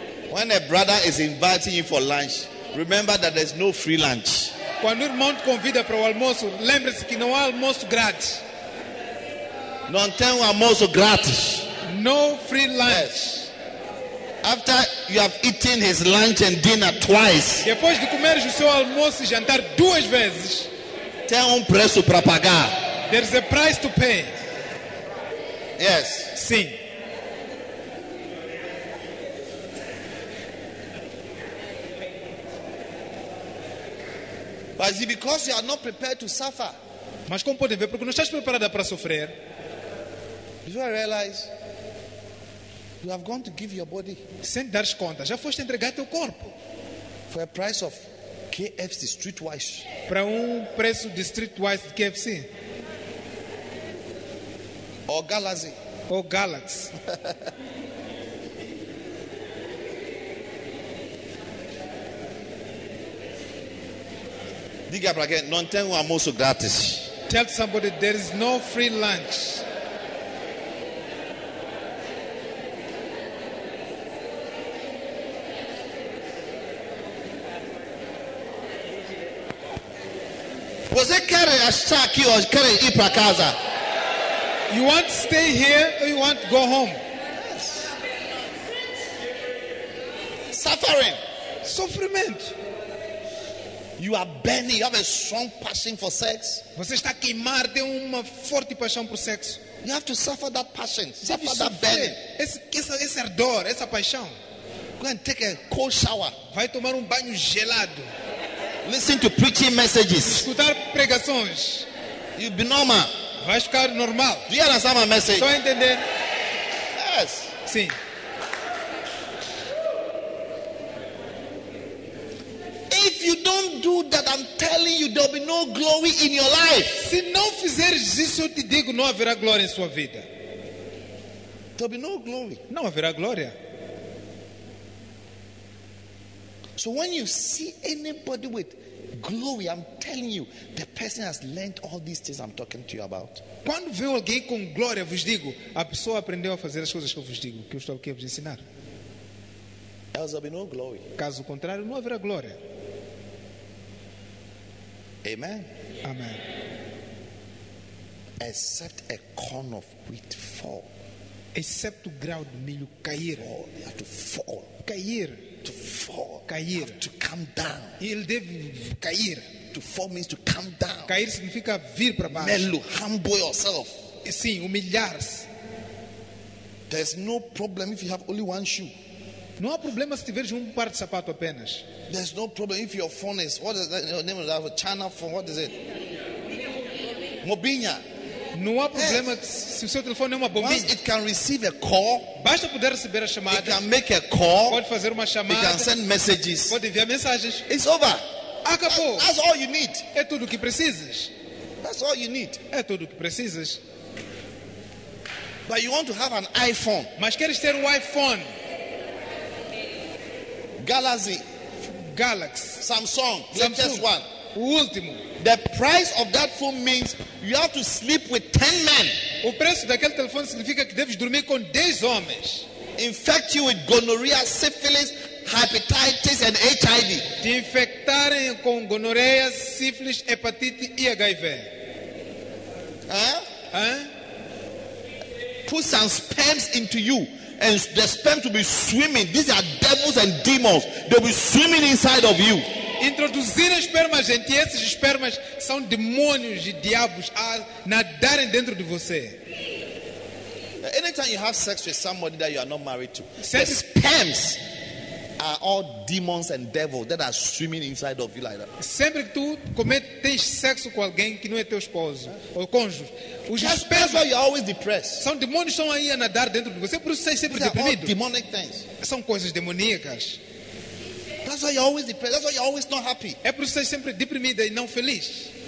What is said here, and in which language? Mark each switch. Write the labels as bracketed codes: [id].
[en] When a brother is inviting you for lunch, remember that there's no free lunch. [pt] Quando o irmão te convida para o almoço, lembre-se que não há almoço grátis. Não tem um almoço grátis. [en] No free lunch. Yes. After you have eaten his lunch and dinner twice. [pt] Depois de comer o seu almoço e jantar duas vezes. Tem preço para pagar. [en] There's a price to pay. Yes. [pt] Sim. [en] But it's because you are not prepared to suffer. [pt] Mas como podem ver, porque não estás preparada para sofrer. [en] Before I realize, you have gone to give your body. [pt] Sem dares conta, já foste entregar teu corpo. [en] For a price of KFC Streetwise. [pt] Para preço de Streetwise de KFC. [en] Or Galaxy. Or Galaxy. [pt] Diga para quem, não tem um almoço grátis. [en] Tell somebody there is no free lunch. [pt] Você quer estar aqui ou quer ir para casa? [en] You want to stay here or you want to go home? Yes. Suffering. [pt] Sofrimento. [en] You are burning. You have a strong passion for sex. [pt] Você está queimar, tem uma forte paixão por sexo. [en] You have to suffer that passion. Suffer that burning. [pt] Esse ardor, essa paixão. [en] Go and take a cold shower. [pt] Vai tomar banho gelado. [en] Listen to preaching messages. [pt] Escutar pregações. [en] You'll be normal. [pt] Vai ficar normal. [en] Do you understand my message? [pt] Estou a entender. [en] Yes. [pt] Sim. [en] Do that, I'm telling you, there'll be no glory in your life. [pt] Se não fizeres isso, eu te digo, não haverá glória em sua vida. [en] There'll be no glory. [pt] Não haverá glória. [en] So when you see anybody with glory, I'm telling you, the person has learned all these things I'm talking to you about. [pt] Quando vê alguém com glória, vos digo, a pessoa aprendeu a fazer as coisas que eu vos digo, que eu estou aqui a vos ensinar. [en] Else there'll be no glory. [pt] Caso contrário, não haverá glória. [en] Amen. [pt] Amen. [en] Except a corn of wheat fall. Except [pt] o grão de milho cair. [en] Fall. They have to fall. [pt] Cair. [en] To fall. [pt] Cair. [en] Have to come down. [pt] Ele deve cair. [en] To fall means to come down. [pt] Cair significa vir para baixo. [en] Melo, humble yourself. [pt] E sim, humilhar-se. [en] There's no problem if you have only one shoe. [pt] Não há problema se tiveres par de sapato apenas. [en] There's no problem if your phone is what is that, your name is that, China phone, what is it? [pt] Mobinha. Não há problema se o seu telefone é uma bombinha. [en] Once it can receive a call. [pt] Basta poder receber a chamada. [en] It can make a call. [pt] Pode fazer uma chamada. [en] It can send messages. [pt] Pode enviar mensagens. [en] It's over. [pt] Acabou. [en] That's all you need. [pt] É tudo o que precisas. [en] That's all you need. [pt] É tudo o que precisas. [en] But you want to have an iPhone. [pt] Mas queres ter um iPhone? [en] Galaxy. Samsung. Latest one. [pt] O último. [en] The price of that phone means you have to sleep with 10 men. [pt] O preço daquele telefone significa que deves dormir com 10 homens. [en] Infect you with gonorrhea, syphilis, hepatitis and HIV. [pt] Te infectarem com gonorreia, sífilis, hepatite e HIV. [en] Put some sperms into you and the sperms will be swimming. These are devils and demons. They'll be swimming inside of you. [pt] Introduzir espermas em ti, esses espermas são demônios e diabos a nadarem dentro de você. [en] Anytime you have sex with somebody that you are not married to, sex, the sperms are all demons and devils that are swimming inside of you like that. [pt] Sempre que tu cometes sexo com alguém que não é teu esposo ou cônjuge, os espermas, [en] you're always depressed. [pt] São demônios que estão aí a nadar dentro de você, por isso você é sempre deprimido. [en] Demonic things. [pt] São coisas demoníacas. [en] That's why you're always depressed. That's why you're always not happy. [pt] É por isso que você é sempre deprimida e não feliz.